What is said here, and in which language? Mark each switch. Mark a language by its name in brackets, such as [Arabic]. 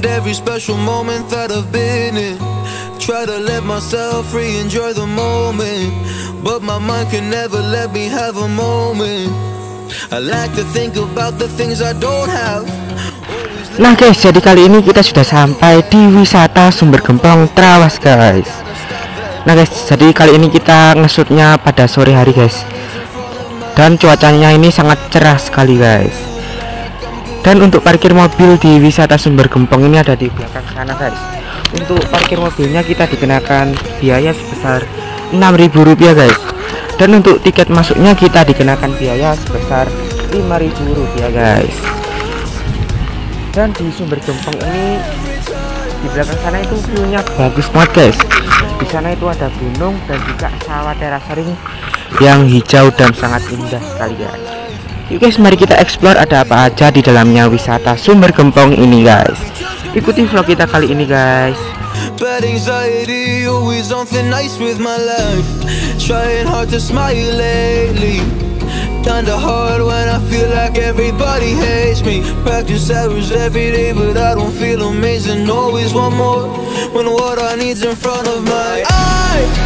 [English] Special moment that I've been in. Try to let myself free, enjoy the moment, but my mind can never let me have a moment. I like to think about the things I don't have. [Indonesian] Nah guys, jadi kali ini kita sudah sampai di wisata Sumber Gempol Trawas guys. Nah guys, jadi kali ini kita ngesutnya pada sore hari guys, dan cuacanya ini sangat cerah sekali guys. Dan untuk parkir mobil di wisata Sumber Gempol ini ada di belakang sana guys. Untuk parkir mobilnya kita dikenakan biaya sebesar Rp6.000 guys. Dan untuk tiket masuknya kita dikenakan biaya sebesar Rp5.000 guys. Dan di Sumber Gempol ini di belakang sana itu view-nya bagus banget guys. Di sana itu ada gunung dan juga sawah terasering yang hijau dan sangat indah sekali guys. Yuk guys, mari kita explore ada apa aja di dalamnya wisata Sumber Gempol ini guys. Ikuti vlog kita kali ini guys. [English] Bad anxiety, always on thin ice with my life. Trying hard to smile lately. Kinda hard when I feel like everybody hates me. Practice errors every day, but I don't feel amazing. Always want more when what I need's in front of my eyes.